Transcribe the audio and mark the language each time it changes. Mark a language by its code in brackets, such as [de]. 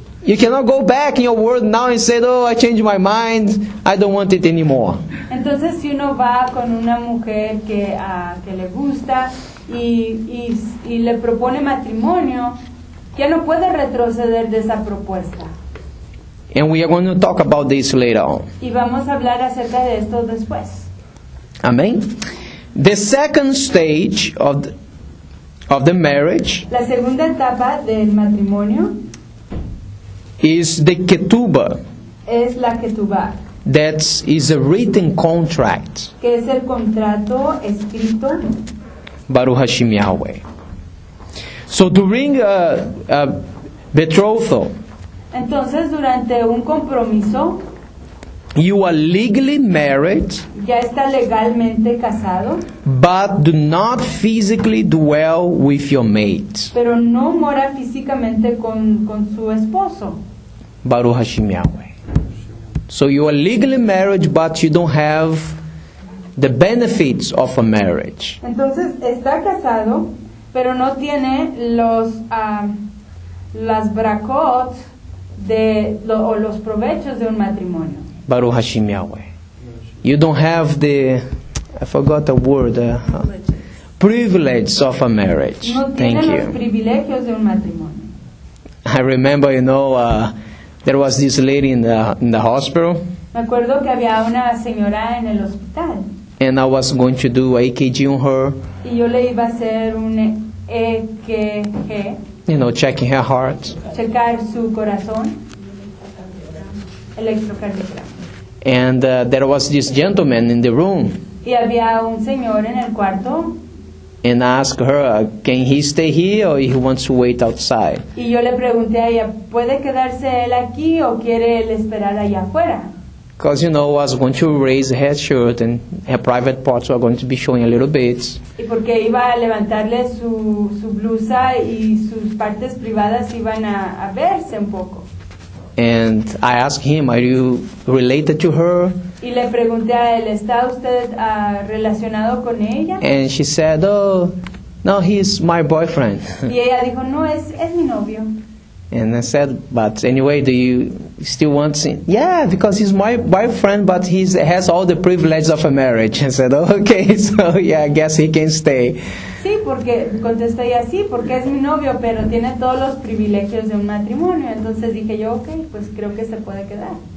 [en] You cannot go back in your word now and say, oh, I changed my mind, I don't want it anymore. [es] Entonces, si uno va con una mujer que le gusta y le propone matrimonio, ya no puede retroceder de esa propuesta. [en] And we are going to talk about this later on. [es] Y vamos a hablar acerca de esto después. [en] Amen. The second stage of the marriage. [es] La segunda etapa del matrimonio. [en] Is the ketubah. [es] Es la ketubah. [en] That is a written contract. [es] Que es el contrato escrito. [he] Baruch Hashem Yahweh. [en] So during a betrothal. [es] Entonces, durante un compromiso, [en] you are legally married, [es] ya está legalmente casado, [en] but do not physically dwell with your mate. [es] Pero no mora físicamente con su esposo. [he] Baruch Hashem Yahweh. [en] So you are legally married, but you don't have the benefits of a marriage. [es] Entonces, está casado, pero no tiene los las bracot. O los provechos de un matrimonio. [he] Baruch Hashem Yahweh. [en] You don't have the, I forgot the word, privileges of a marriage. [es] No. [en] Thank [es] los [en] you. [es] Privilegios de un matrimonio. [en] I remember, you know, there was this lady in the hospital. [es] Me acuerdo que había una señora en el hospital. [en] And I was going to do AKG on her. [es] Y yo le iba a hacer un EKG. [en] You know, checking her heart. [es] Checar su corazón. Electrocardiogram. [en] And there was this gentleman in the room. [es] Y había un señor en el cuarto. [en] And asked her, can he stay here or he wants to wait outside? [es] Y yo le pregunté a ella, ¿puede quedarse él aquí o quiere él esperar allá afuera? [en] Because, you know, I was going to raise her shirt and her private parts were going to be showing a little bit. [es] Y porque iba a levantarle su blusa y sus partes privadas iban a verse un poco. [en] And I asked him, are you related to her? [es] Y le pregunté a él, ¿está usted relacionado con ella? [en] And she said, oh, no, he's my boyfriend. [es] Y ella dijo, no, es mi novio. [en] And I said, but anyway, do you still want to see? Yeah, because he's my boyfriend, but he has all the privileges of a marriage. I said, oh, okay, so yeah, I guess he can stay. [es] Sí, porque contesté ya sí, porque es mi novio, pero tiene todos los privilegios de un matrimonio. Entonces dije yo, okay, pues creo que se puede quedar.